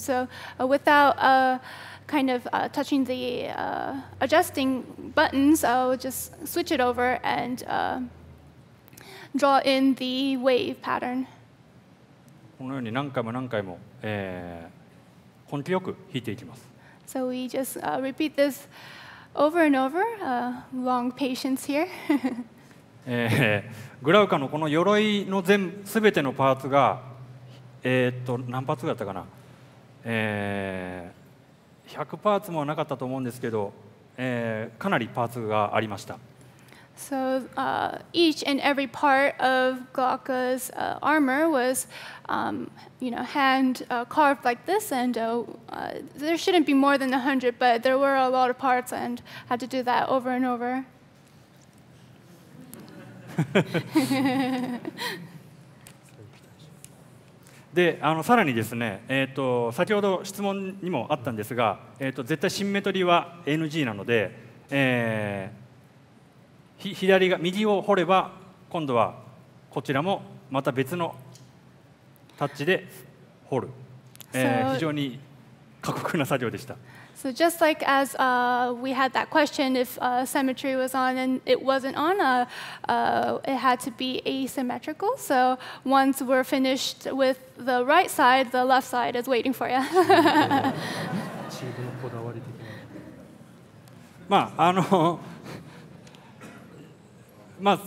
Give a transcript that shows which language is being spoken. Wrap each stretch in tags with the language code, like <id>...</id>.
<en>So without kind of touching the adjusting buttons, I'll just switch it over and draw in the wave pattern.</en> <ja>このように何回も何回も、根気よく引いていきます。</ja> <en>So we just repeat this over and over, long patience here.</en> <ja>Glauca のこの鎧の全すべてのパーツが何パーツだったかな、100パーツもなかったと思うんですけど、かなりパーツがありました。</ja> <en>So, each and every part of Glauca's armor was, you know, hand carved like this, and there shouldn't be more than 100, but there were a lot of parts, and had to do that over and over.</en> <ja>で、さらにですね、先ほど質問にもあったんですが、絶対シンメトリーは NG なので、左が右を掘れば今度はこちらもまた別のタッチで掘る、非常に過酷な作業でした。</ja> <en>So just like as we had that question, if symmetry was on and it wasn't on, it had to be asymmetrical. So once we're finished with the right side, the left side is waiting for you.</en> <ja>チームのこだわり的な。</ja>